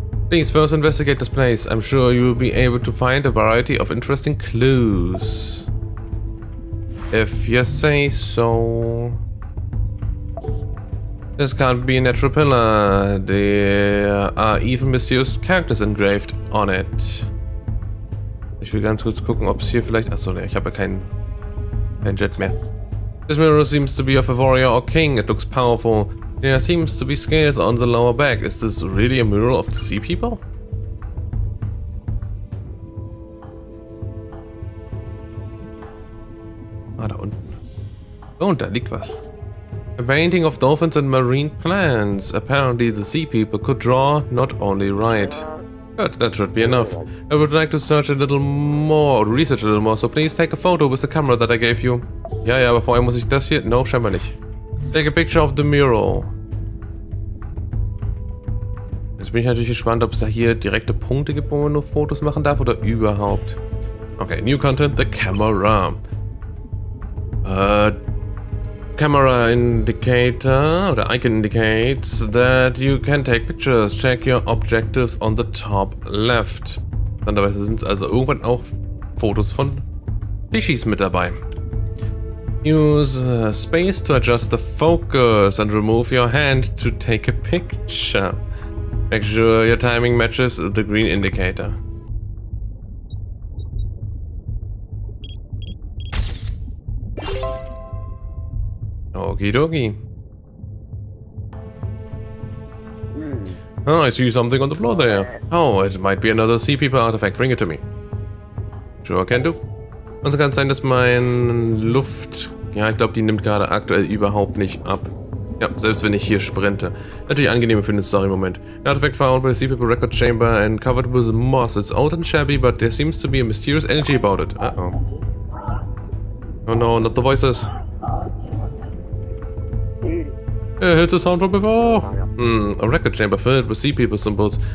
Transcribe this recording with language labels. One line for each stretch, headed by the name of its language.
English: Please first investigate this place. I'm sure you will be able to find a variety of interesting clues. If you say so. This can't be a natural pillar. There are even mysterious characters engraved on it.
German: Ich will ganz kurz gucken, ob es hier vielleicht. Achso, ne, ich habe ja kein Jet mehr.
English: This mirror seems to be of a warrior or king. It looks powerful. There seems to be scales on the lower back. Is this really a mural of the sea people?
German: Ah, da unten. Oh, und da liegt was.
English: A painting of dolphins and marine plants. Apparently the sea people could draw, not only write. Good, that should be enough. I would like to search a little more, research a little more, so please take a photo with the camera that I gave you.
German: Ja, aber vorher muss ich das hier... No, scheinbar nicht.
English: Take a picture of the mural.
German: Bin ich natürlich gespannt, ob es da hier direkte Punkte gibt, wo man nur Fotos machen darf oder überhaupt.
English: Okay, new content, the camera. Camera indicator oder icon indicates that you can take pictures. Check your objectives on the top left.
German: Anderweise sind es also irgendwann auch Fotos von Fischis mit dabei.
English: Use space to adjust the focus and remove your hand to take a picture. Make sure your timing matches the green indicator. Okidoki. Oh, I see something on the floor there. Oh, it might be another sea people artifact. Bring it to me. Sure can do.
German: Und so kann es sein, dass mein Luft... Ja, ich glaube, die nimmt gerade aktuell überhaupt nicht ab. Ja, selbst wenn ich hier sprinte. Natürlich angenehm für den Story-Moment.
English: The artifact found by the Sea People Record Chamber and covered with moss. It's old and shabby, but there seems to be a mysterious energy about it. Uh-oh. Oh no, not the voices. Yeah, heard the sound from before? A record chamber filled with Sea People symbols.